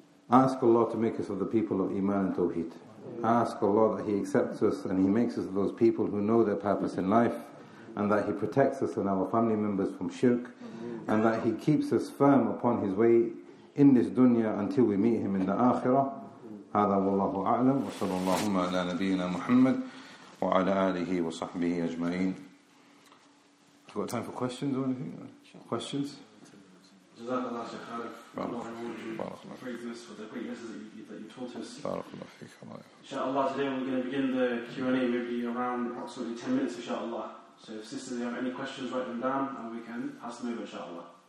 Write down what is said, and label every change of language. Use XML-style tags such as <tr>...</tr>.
<en>Ask Allah to make us of the people of Iman and Tawhid. Ask Allah that He accepts us and He makes us of those people who know their purpose in life, and that He protects us and our family members from shirk, and that He keeps us firm upon His way in this dunya until we meet Him in the Akhirah.</en> <ar>هذا والله أعلم وصلى الله على نبينا محمد وعلى آله وصحبه أجمعين.</ar> <en>Got time for questions or anything? Sure. Questions? JazakAllah Shaykh Arif, Allah reward you for the great messages that you taught us. Inshallah, today we're going to begin the Q&A maybe around approximately 10 minutes, inshallah. So if sisters have any questions, write them down and we can ask them over, inshallah.</en>